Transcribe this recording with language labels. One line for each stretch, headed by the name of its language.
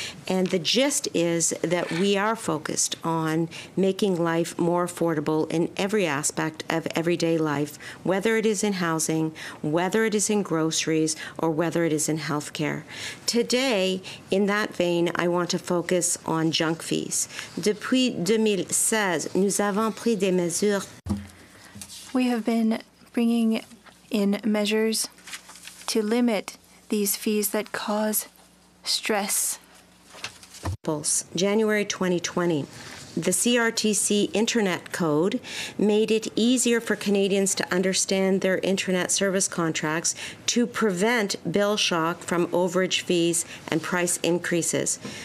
English: And the gist is that we are focused on making life more affordable in every aspect of everyday life, whether it is in housing, whether it is in groceries, or whether it is in healthcare. Today, in that vein, I want to focus on junk fees.
French: Depuis 2016, nous avons pris des mesures.
English: We have been bringing in measures to limit these fees that cause stress. January 2020, the CRTC internet code made it easier for Canadians to understand their internet service contracts to prevent bill shock from overage fees and price increases.